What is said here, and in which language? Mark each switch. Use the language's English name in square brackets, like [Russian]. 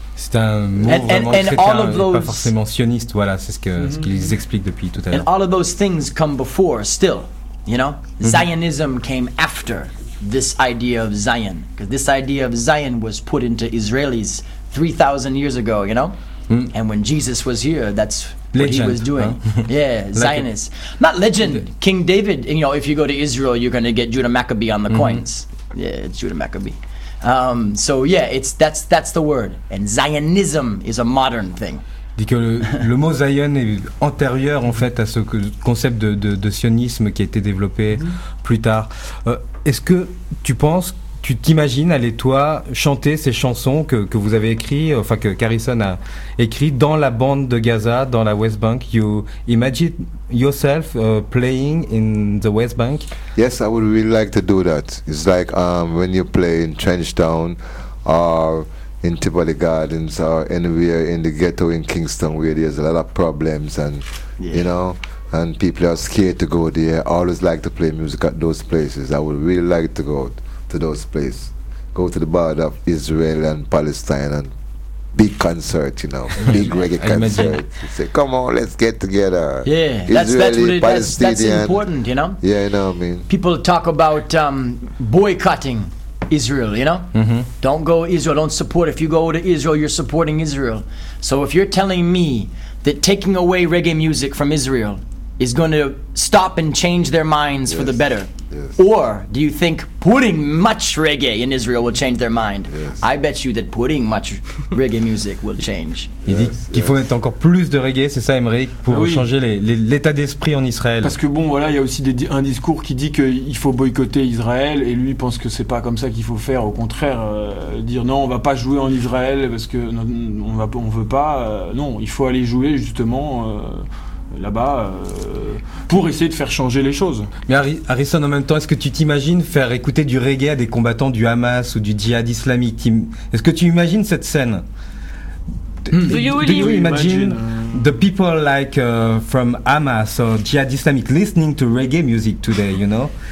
[French] C'est un mouvement chrétien, et pas forcément sioniste. Voilà, c'est ce qu'ils expliquent depuis tout à l'heure. [English] And all of those things come before, still. You know, mm-hmm. Zionism came after this idea of Zion, because this idea of Zion was put into Israelis 3,000 years ago, you know, and when Jesus was here, that's legend, what he was doing. Huh? Yeah, Zionist. Not legend, King David, you know, if you go to Israel, you're going to get Judah Maccabee on the coins. Yeah, it's Judah Maccabee. That's the word. And Zionism is a modern thing. [French] Dit que le mot Zion est antérieur en fait à ce concept de sionisme qui a été développé plus tard. Est-ce que tu t'imagines aller toi chanter ces chansons que vous avez écrites, enfin que Harrison a écrit dans la bande de Gaza, dans la West Bank? [English] You imagine yourself playing in the West Bank? Yes, I would really like to do that. It's like when you play in Trench Town or in Tivoli Gardens or anywhere in the ghetto in Kingston where there's a lot of problems and you know, and people are scared to go there. I always like to play music at those places. I would really like to go to those places. Go to the border of Israel and Palestine and big concert, you know, big reggae concert. Say, come on, let's get together. Yeah, Israeli, that's important, you know? Yeah, you know what I mean? People talk about boycotting Israel, you know? Mm-hmm. Don't go Israel, don't support. If you go to Israel, you're supporting Israel. So if you're telling me that taking away reggae music from Israel is going to stop and change their minds for the better? Yes. Or do you think putting much reggae in Israel will change their mind? Yes. I bet you that putting much reggae music will change. [French] Il dit qu'il faut mettre encore plus de reggae, c'est ça, Emeric, pour changer l'état d'esprit en Israël. Parce que bon, voilà, il y a aussi un discours qui dit qu'il faut boycotter Israël, et lui pense que c'est pas comme ça qu'il faut faire. Au contraire, dire non, on va pas jouer en Israël parce que on veut pas. Non, il faut aller jouer justement. Là-bas, pour essayer de faire changer les choses. Mais Harrison, en même temps, est-ce que tu t'imagines faire écouter du reggae à des combattants du Hamas ou du djihad islamique? Est-ce que tu imagines cette scène? [English] Do you imagine the people like from Hamas or djihad islamique listening to reggae music today, you know?